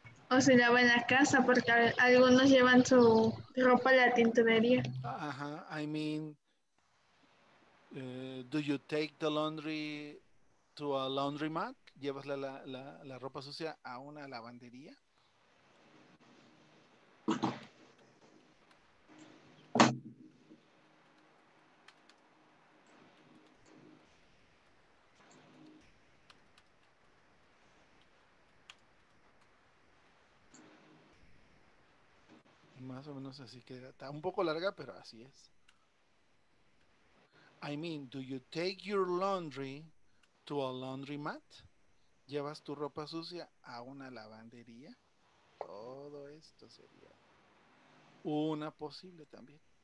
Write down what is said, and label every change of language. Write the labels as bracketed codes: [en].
[es] O se lava en la casa porque algunos llevan su ropa a la tintorería. Uh-huh. [en] I mean, do you take the laundry to a laundromat? [es] ¿Llevas la ropa sucia a una lavandería? Más o menos así que está un poco larga, pero así es. [en] I mean, do you take your laundry to a laundromat? [es] ¿Llevas tu ropa sucia a una lavandería? Todo esto sería una posible también.